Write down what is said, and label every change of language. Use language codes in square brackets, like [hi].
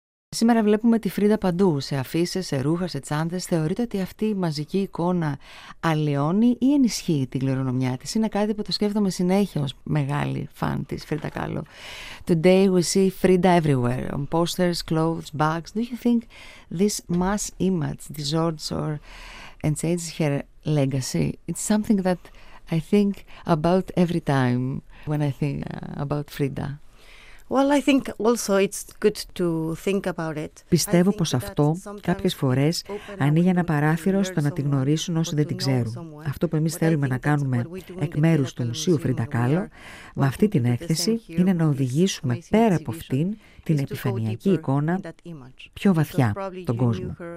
[el] Σήμερα βλέπουμε τη Φρίντα παντού, σε αφίσες, σε ρούχα, σε τσάντες. Θεωρείτε ότι αυτή η μαζική εικόνα αλλοιώνει ή ενισχύει την κληρονομιά της? Είναι κάτι που το σκέφτομαι συνέχεια ως μεγάλη φαν της Φρίντα Κάλλο. [en] Today we see Frida everywhere, on posters, clothes, bags. Do you think this mass image distorts or changes her legacy? It's something that I think about every time when I think about Frida. Well, I think also it's good to think about it. [el] Πιστεύω πως αυτό κάποιες φορές ανοίγει ένα παράθυρο στο να τη γνωρίσουν όσοι δεν την ξέρουν. Αυτό που εμείς θέλουμε να κάνουμε εκ μέρους του Μουσείου Φρίντα Κάλλο με αυτή την έκθεση είναι να οδηγήσουμε πέρα από αυτήν την επιφανειακή εικόνα πιο βαθιά τον κόσμο.